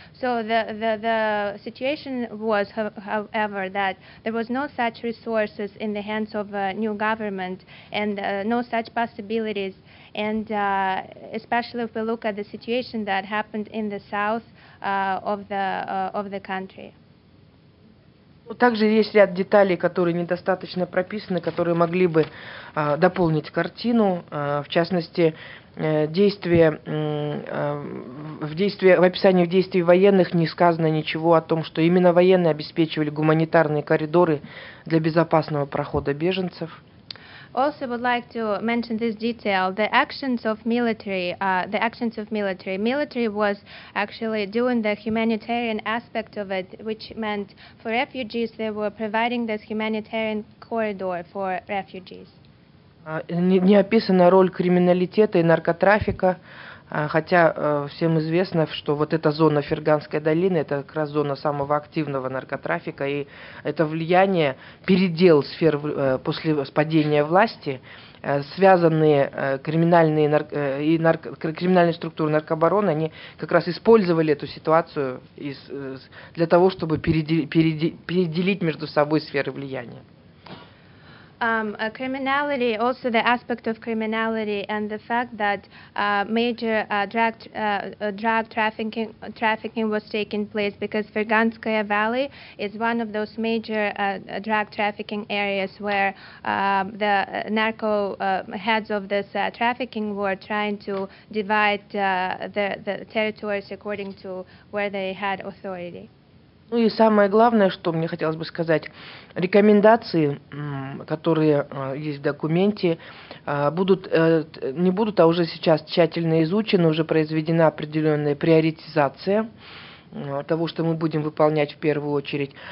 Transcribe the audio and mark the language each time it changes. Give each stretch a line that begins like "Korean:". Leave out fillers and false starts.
English: So the situation was, however, that there was no such resources in the hands of a new government and no such possibilities. And especially if we look at the situation that happened in the south of the country.
Russian: Также есть ряд деталей, которые недостаточно прописаны, которые могли бы дополнить картину, в частности, действия, в описании в действии военных не сказано ничего о том, что именно военные обеспечивали гуманитарные коридоры для безопасного прохода беженцев.
English: Also would like to mention this detail, the actions of military, the actions of military. Military was actually doing the humanitarian aspect of it, which meant for refugees they were providing this humanitarian corridor for refugees.
Russian: Не описана роль криминалитета и наркотрафика, хотя всем известно, что вот эта зона Ферганской долины, это как раз зона самого активного наркотрафика, и это влияние, передел сфер после падения власти, связанные криминальные и криминальные структуры наркобарона, они как раз использовали эту ситуацию для того, чтобы переделить между собой сферы влияния.
English: Criminality, also the aspect of criminality and the fact that major drug trafficking was taking place because Ferganskaya Valley is one of those major drug trafficking areas where the narco heads of this trafficking were trying to divide the territories according to where they had authority.
Russian: Ну и самое главное, что мне хотелось бы сказать, рекомендации, которые есть в документе, а уже сейчас тщательно изучены, уже произведена определенная приоритизация того, что мы будем выполнять в первую очередь.